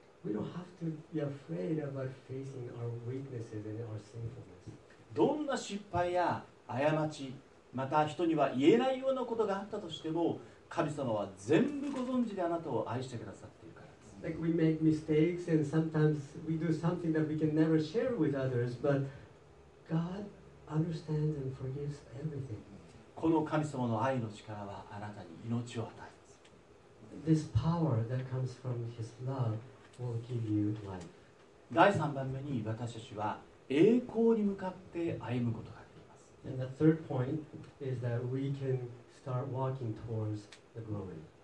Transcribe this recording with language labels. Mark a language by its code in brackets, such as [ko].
[en] We don't have to be afraid about facing our weaknesses and our sinfulness. [ja] どんな失敗や過ち、また人には言えないようなことがあったとしても、神様は全部ご存知であなたを愛してくださっている。 [en] Like we make mistakes and sometimes we do something that we can never share with others, but God understands and forgives everything. [ja] この神様の愛の力はあなたに命を与えます。 [en] This power that comes from His love will give you life. [ja] 第3番目に私たちは栄光に向かって歩むことができます。 [en] And the third point is that we can start walking towards the glory.